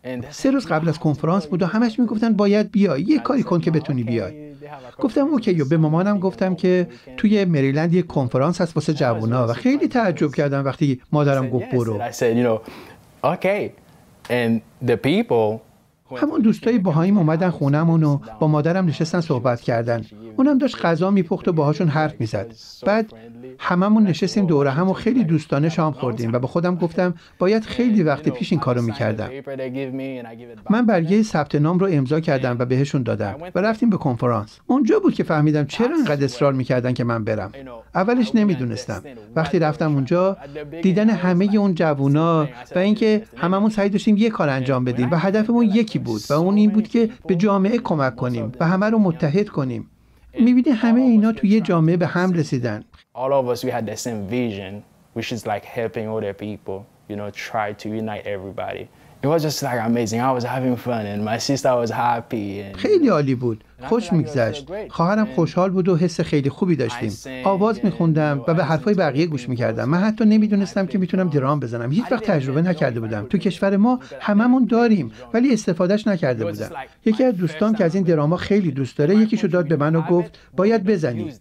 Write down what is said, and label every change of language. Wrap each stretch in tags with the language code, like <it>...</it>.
<fa>سه روز قبل از کنفرانس بود و همش میگفتن باید بیای، یه کاری کن که بتونی بیای. گفتم اوکی و به مامانم گفتم که توی مریلند یه کنفرانس هست واسه جوونا و خیلی تعجب کردم وقتی مادرم گفت برو.</fa> <en>Okay. And the people</en> <fa>همون دوستای باهائیم اومدن خونمون و با مادرم نشستن صحبت کردن. اونم داشت غذا میپخت و باهاشون حرف میزد. بعد هممون نشستیم دوره هم و خیلی دوستانه شام خوردیم و به خودم گفتم باید خیلی وقت پیش این کارو میکردم. من برگه ثبت نام رو امضا کردم و بهشون دادم و رفتیم به کنفرانس. اونجا بود که فهمیدم چرا انقدر اصرار میکردن که من برم. اولش نمیدونستم. وقتی رفتم اونجا دیدن همه اون جوونا و اینکه هممون سعی داشتیم یه کار انجام بدیم و هدفمون یکی بود و اون این بود که به جامعه کمک کنیم و همه رو متحد کنیم. میبینی همه اینا تو یه جامعه به هم رسیدن.</fa> <en>All of us, we had the same vision, which is like helping other people, you know, try to unite everybody. It was just like amazing. I was having fun and my sister was happy.</en> <fa>خیلی عالی بود. خوش میگذشت. خواهرم خوشحال بود و حس خیلی خوبی داشتیم. آواز میخوندم و به حرفای بقیه گوش میکردم. من حتی نمیدونستم که میتونم درام بزنم. هیچ وقت تجربه نکرده بودم. تو کشور ما هممون داریم ولی استفادهش نکرده بودم. یکی از دوستام که از این دراما خیلی دوست داره یکیشو داد به من و گفت باید بزنی.</fa>